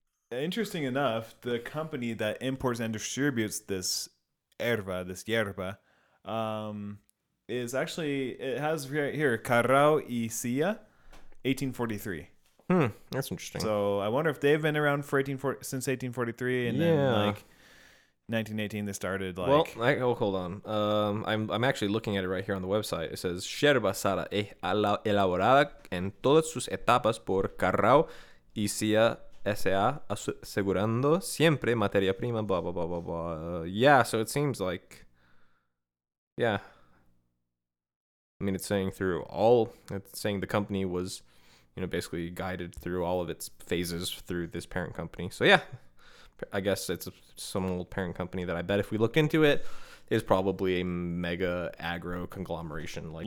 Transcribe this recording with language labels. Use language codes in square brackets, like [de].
[en] Interesting enough, the company that imports and distributes this yerba, is actually, it has right here, Carrao y Silla, 1843. That's interesting. So I wonder if they've been around since 1843 and 1918 they started, like, well, hold on, I'm actually looking at it right here on the website. It says [es] yerba Sara es elaborada en todas sus etapas por Carrao y Silla S.A. asegurando siempre materia prima, blah blah blah blah blah. [en] So it seems like, yeah, I mean, it's saying the company was, you know, basically guided through all of its phases through this parent company. So yeah, I guess it's some old parent company that I bet if we looked into it is probably a mega agro conglomeration. Like